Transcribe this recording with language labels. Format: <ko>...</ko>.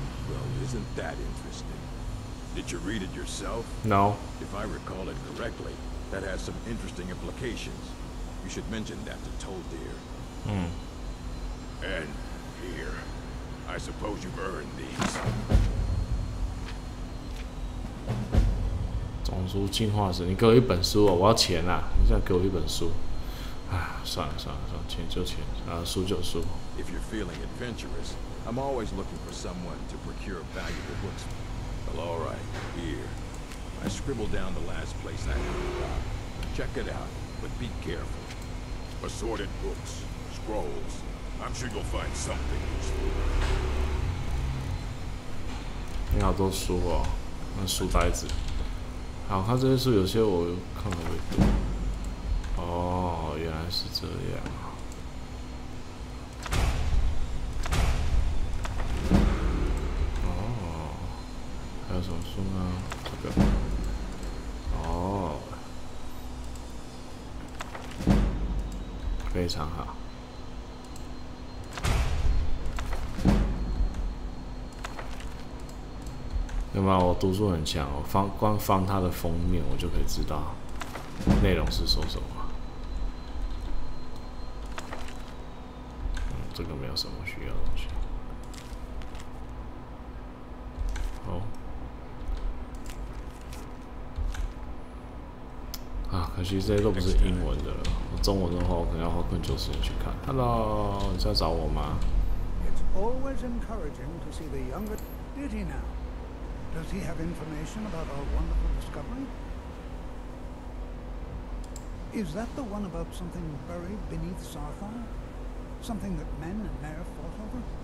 <en>Well, isn't that interesting? Did you read it yourself? No. If I recall it correctly, that has some interesting implications. You should mention that to Toldir. Hmm. And here, I suppose you've earned these.</en> <zh>种族进化史，你给我一本书啊、哦！我要钱啊！你再给我一本书。算了，钱就钱，输就输。</zh> <en>If you're feeling adventurous, I'm always looking for someone to procure valuable books. Well, all right, here. I scribbled down the last place I heard about. Check it out, but be careful. Assorted books, scrolls. I'm sure you'll find something useful.</en> <zh>你好多书哦，那书呆子。好，看这些书，有些我看了会读。哦，原来是这样。还有什么书呢？这个哦，非常好。有没有？我读书很强，我翻光翻它的封面，我就可以知道内容是说什么。这个没有什么需要的东西。可惜这些都不是英文的了，中文的话我可能要花更久时间去看。 Hello， 你在找我吗</zh> <en>？It's always encouraging to see the younger beauty now. Does he have information about our wonderful discovery? Is that the one about something buried beneath Sarthar? Something that men and Nair fought over?</en>